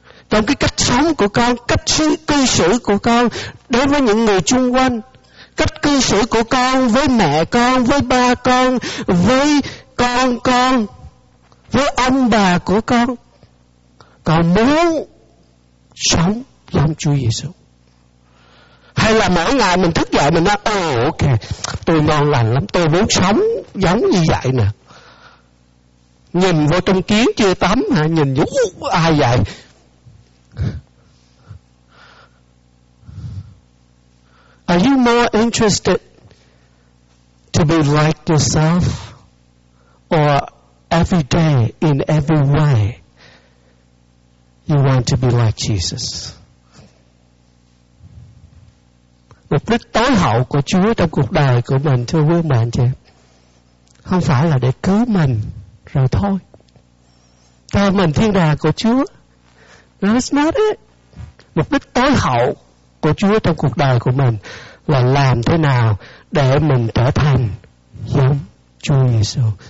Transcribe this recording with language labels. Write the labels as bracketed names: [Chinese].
[Vietnamese] Trong cái cách sống của con, cách cư xử của con đối với những người chung quanh, cách cư xử của con với mẹ con, với ba con, với con, với ông bà của con, con muốn sống giống Chúa Giêsu. Hay là mỗi ngày mình thức dậy mình nói ok, tôi ngon lành lắm, tôi muốn sống giống như vậy nè. Nhìn vô trong kiến chưa tắm hả, nhìn vô ai vậy? [English] Are you more interested to be like yourself or every day in every way you want to be like Jesus? [Vietnamese] Mục đích tối hậu của Chúa trong cuộc đời của mình, thưa quý bạn chị, không phải là để cứu mình rồi thôi, cho mình thiên đàng của Chúa. [English] That's not it. [Vietnamese] Mục đích tối hậu của Chúa trong cuộc đời của mình là làm thế nào để mình trở thành giống Chúa Giêsu.